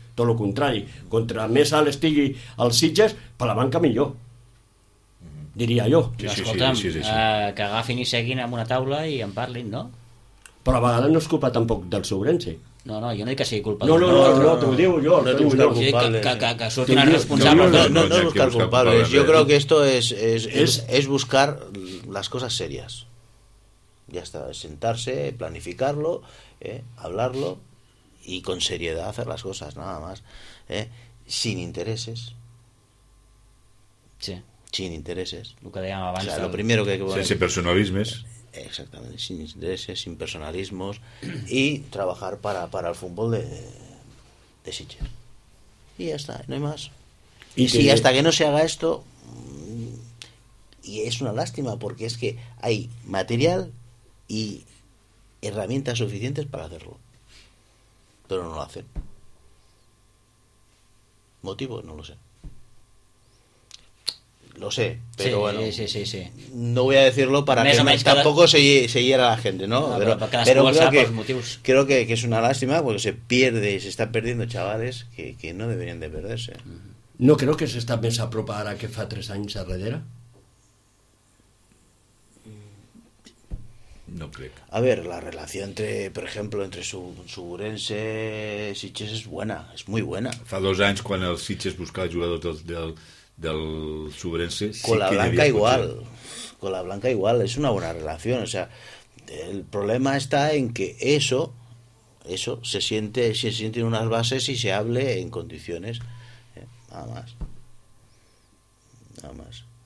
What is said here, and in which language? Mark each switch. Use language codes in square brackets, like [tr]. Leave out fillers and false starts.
[ca] Tot el contrari, contra més alt estigui el Sitges, per la Blanca millor. Diria jo. Sí. Que agafin i seguin en una taula i en parlin, no? Però a vegades no és culpa tampoc del Sobrense. No, jo no dic que sigui culpa. No, t'ho diu jo. Que surtin els responsables. No, buscar culpables. Jo crec [es] que esto es buscar las cosas serias. Ya está, sentarse, planificarlo, hablarlo y con seriedad hacer las cosas, nada más. Sin intereses. Sí. Sin intereses. [ca] Lo que dèiem abans. [es] O sea, lo primero que hay que poner... Sin personalismes. Exactamente, sin intereses, sin personalismos y trabajar para el fútbol de Sitges. Y ya está, no hay más. Y si que... hasta que no se haga esto, y es una lástima porque es que hay material y herramientas suficientes para hacerlo. Pero no lo hacen. ¿Motivo? No lo sé. Lo sé, pero sí, bueno. Sí. No voy a decirlo para [ca] més [es] que no, cada... tampoco se hiera la gente, ¿no? Pero creo que es una lástima porque se pierde, se están perdiendo chavales que no deberían de perderse. [ca] No creo que se está més a prop ara que fa 3 anys a darrere. No crec. A ver, la relació entre, per exemple, entre Sobrense i Sitges és bona, és [es] muy buena. [ca] Fa 2 anys quan el Sitges buscava jugadors del Sobrense, sí, [es] con la Blanca igual potser. Con la Blanca igual, es una buena relación. O sea, el problema está en que eso eso, se sienten unas bases y se hable en condiciones, nada más, nada más.